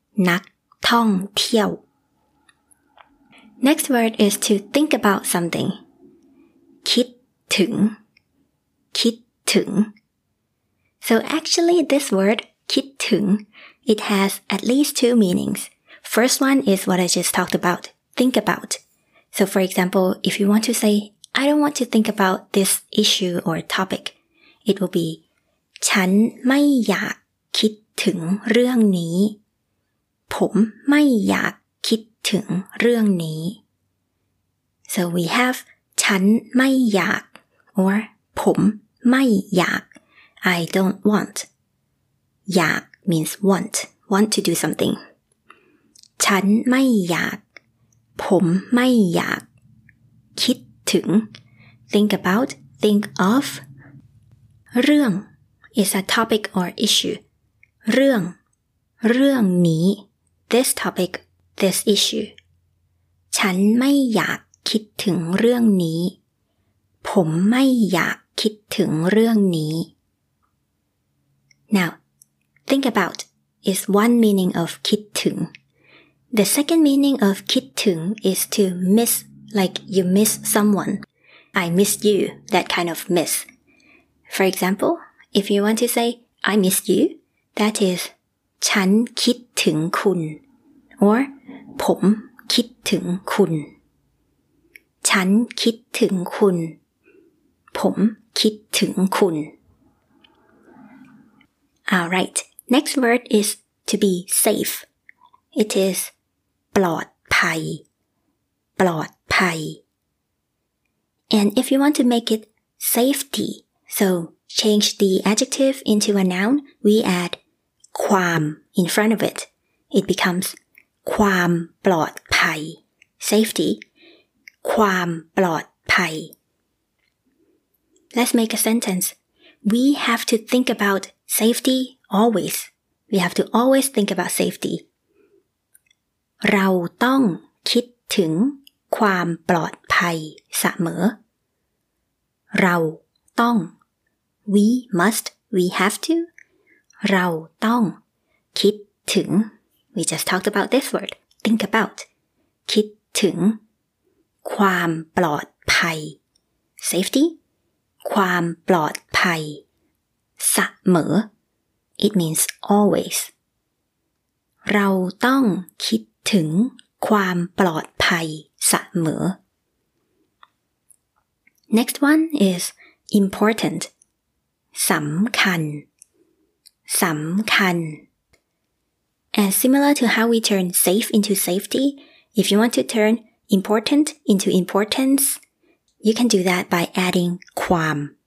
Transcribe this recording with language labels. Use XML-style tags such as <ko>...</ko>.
<en>นักท่องเที่ยว Next word is to think about something. คิดถึง คิดถึง So actually this word, คิดถึง it has at least two meanings. First one is what I just talked about, think about. So for example, if you want to say, I don't want to think about this issue or topic, it will be,</en> <th>ฉันไม่อยากคิดถึงเรื่องนี้ผมไม่อยากคิดถึงเรื่องนี้</th> <en>So we have, ฉันไม่อยาก or ผมไม่อยาก I don't want. อยาก means want to do something.</en> <th>ฉันไม่อยากผมไม่อยากคิดถึง</th> <en>think about think of เรื่อง is a topic or issue เรื่องเรื่องนี้ this topic this issue</en> <th>ฉันไม่อยากคิดถึงเรื่องนี้ผมไม่อยากคิดถึงเรื่องนี้</th> <en>now think about is one meaning of คิดถึงThe second meaning of คิดถึง is to miss, like you miss someone. I miss you, that kind of miss. For example, if you want to say, I miss you, that is,</en> <th>ฉันคิดถึงคุณ or ผมคิดถึงคุณฉันคิดถึงคุณผมคิดถึงคุณ</th> <en>Alright, next word is to be safe. It isปลอดภัย ปลอดภัย And if you want to make it safety, so change the adjective into a noun, we add ความ in front of it. It becomes ความปลอดภัย Safety, ความปลอดภัย Let's make a sentence. We have to think about safety always. We have to always think about safety.</en> <th>เราต้องคิดถึงความปลอดภัยเสมอเราต้อง</th> <en>we must we have to</en> <th>เราต้องคิดถึง</th> <en>we just talked about this word think about</en> <th>คิดถึงความปลอดภัย safety ความปลอดภัยเสมอ</th> <en>It means always</en> <th>เราต้องคิดถึงความปลอดภัยเสม</th> <en>อ Next one is important สำคัญ</en> <th>สำคัญ</th> <en>And similar to how we turn safe into safety, if you want to turn important into importance, you can do that by adding ความ.</en>